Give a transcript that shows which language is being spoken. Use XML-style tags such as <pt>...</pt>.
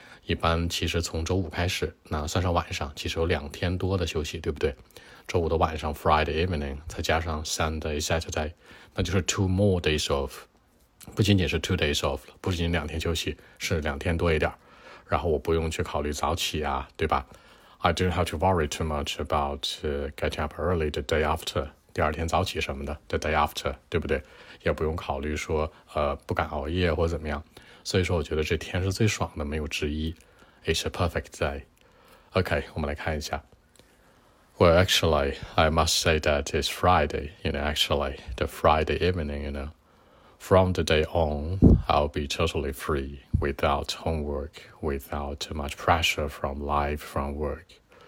<zh>一般其实从周五开始，那算上晚上，其实有两天多的休息，对不对？周五的晚上</zh> <en>Friday evening，</en> <zh>再加上</zh> <en>Sunday Saturday，</en> <zh>那就是</zh> <en>two more days off，</en> <zh>不仅仅是</zh> <en>two days off，</en> <zh>不仅仅两天休息，是两天多一点。然后我不用去考虑早起啊，对吧？</zh> <en>I don't have to worry too much about getting up early the day after，</en> <zh>第二天早起什么的</zh> <en>the day after，</en> <zh>对不对？也不用考虑说不敢熬夜或怎么样。所以说我觉得这天是最爽的，没有之一。</zh> <en>It's a perfect day. OK，</en> <zh>我们来看一下。</zh> <en>Well, actually, I must say that it's Friday, you know, actually, the Friday evening, you know. From the day on, I'll be totally free, without homework, without much pressure from life, from work.</en>